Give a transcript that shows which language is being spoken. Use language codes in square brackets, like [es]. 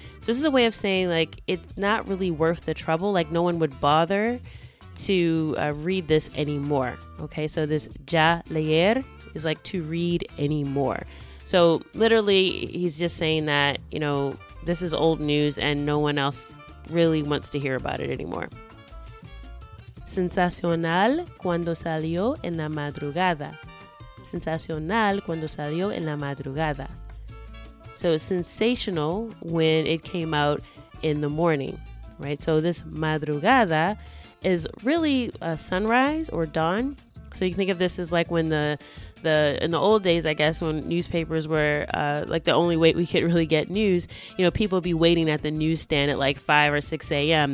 [en] So this is a way of saying like it's not really worth the trouble, like no one would bother to read this anymore. Okay, so this [es] ya leer [en] is like to read anymore. So literally he's just saying that, you know, this is old news and no one else really wants to hear about it anymore. [es] Sensacional cuando salió en la madrugada. Sensacional cuando salió en la madrugada. [en] So it's sensational when it came out in the morning, right? So this madrugada is really a sunrise or dawn. So you can think of this as like when the in the old days, I guess, when newspapers were like the only way we could really get news, you know, people would be waiting at the newsstand at like 5 or 6 a.m.